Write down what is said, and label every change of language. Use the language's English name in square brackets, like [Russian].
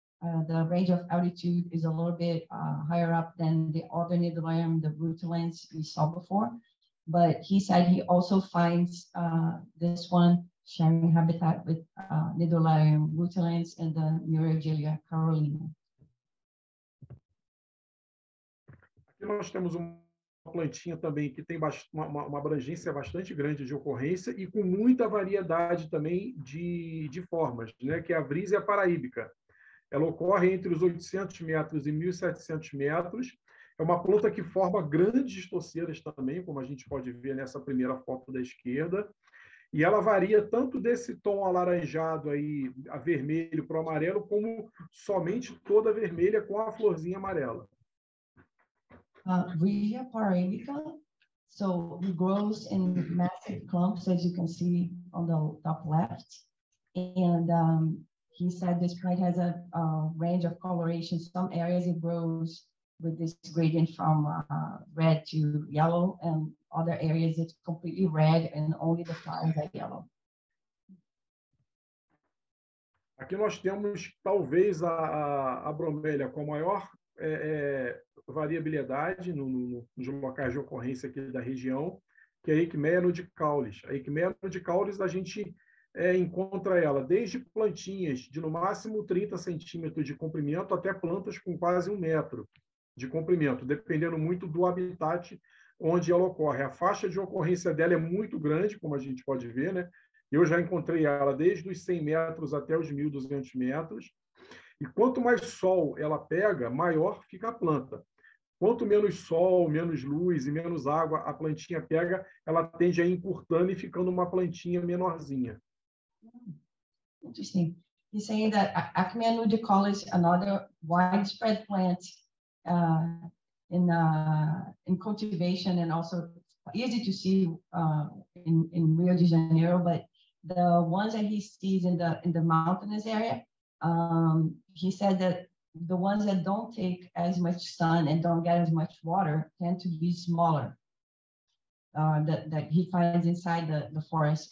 [English] The range of altitude is a little bit higher up than the other nidularium, the rutilans we saw before. But he said he also finds this one sharing habitat with nidularium rutilans and the Neuragelia carolina. [Portuguese] Nós temos uma plantinha também que tem uma abrangência bastante grande de ocorrência e com muita variedade também de formas, né? Que é a Rhizia paraíbica. Ela ocorre entre os 800 metros e 1.700 metros. É uma planta que forma grandes toceiras também, como a gente pode ver nessa primeira foto da esquerda. E ela varia tanto desse tom alaranjado, aí, a vermelho para o amarelo, como somente toda vermelha com a florzinha amarela. [English] Rhizia paraíbica, so it grows in massive clumps, as you can see on the top left. And he said this plant has a range of coloration. Some areas it grows with this gradient from red to yellow, and other areas it's completely red and only the flowers are yellow. [Portuguese] Aqui nós temos talvez a bromélia com maior variabilidade nos locais de ocorrência aqui da região, que é a Eichmea nudicaulis. A Eichmea nudicaulis, a gente encontra ela desde plantinhas de no máximo 30 centímetros de comprimento até plantas com quase um metro de comprimento, dependendo muito do habitat onde ela ocorre. A faixa de ocorrência dela é muito grande, como a gente pode ver, né? Eu já encontrei ela desde os 100 metros até os 1.200 metros. E quanto mais sol ela pega, maior fica a planta. Quanto menos sol, menos luz e menos água a plantinha pega, ela tende a ir encurtando e ficando uma plantinha menorzinha. [English] Interesting. He's saying that Eichmea nudicaulis, another widespread plant in cultivation and also easy to see in Rio de Janeiro, but the ones that he sees in the mountainous area, he said that the ones that don't take as much sun and don't get as much water tend to be smaller that he finds inside the forest.